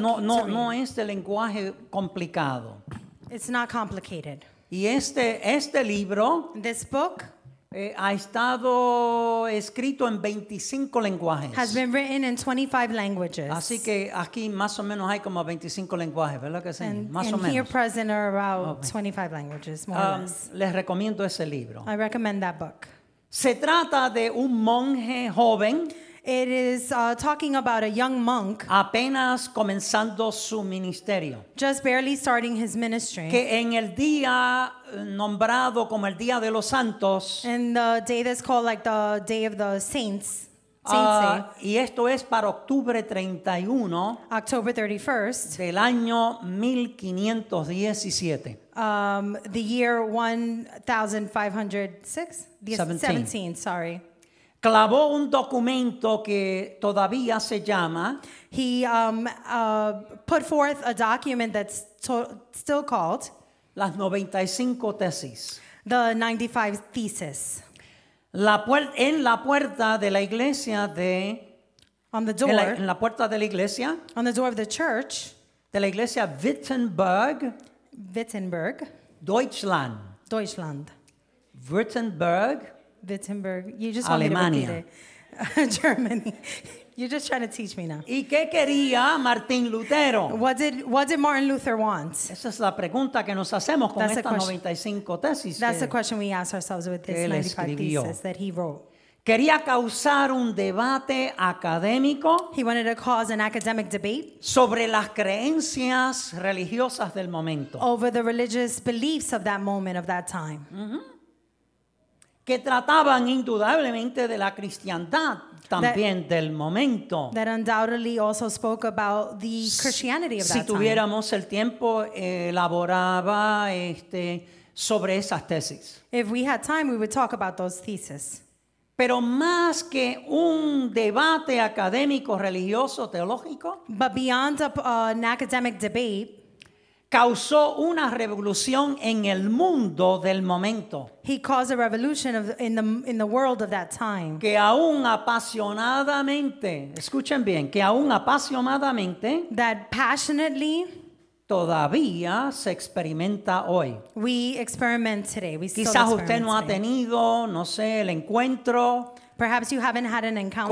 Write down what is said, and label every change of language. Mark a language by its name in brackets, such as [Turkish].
[English] to read. [Spanish] No es de lenguaje complicado. [English] It's not complicated. [Spanish] Y este libro, [English] this book, [Spanish] ha estado escrito en 25 lenguajes. [English] Has been written in 25 languages. [Spanish] Así que aquí más o menos hay como 25 lenguajes, ¿verdad que sí? Más o menos. [English] And here present are about 25 languages, more or less. [Spanish] Les recomiendo ese libro. [English] I recommend that book. [Spanish] Se trata de un monje joven. [English] It is talking about a young monk. [Spanish] Apenas comenzando su ministerio. [English] Just barely starting his ministry. [Spanish] Que en el día nombrado como el día de los santos. [English] In the day that's called like the day of the saints. [Spanish] Y esto es para octubre 31. [English] October 31st. [Spanish] Del año 1517. [English] The year 1517. [Spanish] Clavó un documento que todavía se llama. [English] He put forth a document that's still called [Spanish] las 95 tesis. [English] The 95 thesis. [Spanish] en la puerta de la iglesia de [English] on the door [Spanish] en la puerta de la iglesia [English] on the door of the church [Spanish] de la iglesia Wittenberg [English] Wittenberg [German] Deutschland Deutschland [English] Wittenberg Wittenberg you just Alemania. Germany you're just trying to teach me now. [Spanish] ¿Y qué quería Martín Lutero? [English] What did Martin Luther want? [Spanish] Esa es la pregunta que nos hacemos con esta 95 tesis. [English] That's the question we ask ourselves with this 95 thesis that he wrote. [Spanish] Quería causar un debate académico. [English] He wanted to cause an academic debate [Spanish] sobre las creencias religiosas del momento. [English] Over the religious beliefs of that moment, of that time. [Spanish] Que trataban indudablemente de la cristiandad. También del momento. [English] That undoubtedly also spoke about the Christianity of that time. [Spanish] Si tuviéramos el tiempo, elaboraba sobre esas tesis. [English] If we had time, we would talk about those theses. [Spanish] Pero más que un debate académico, religioso, teológico, [English] but beyond an academic debate, [Spanish] causó una revolución en el mundo del momento. [English] He caused a revolution in the world of that time. [Spanish] Que aún apasionadamente, escuchen bien, que aún apasionadamente, [English] that passionately, [Spanish] todavía se experimenta hoy. [English] We experiment today. We [Spanish] quizás [English] still [Spanish] usted [English] experiment [Spanish] no [English] today. [Spanish] Ha tenido, no sé, el encuentro. [English] Perhaps you haven't had an encounter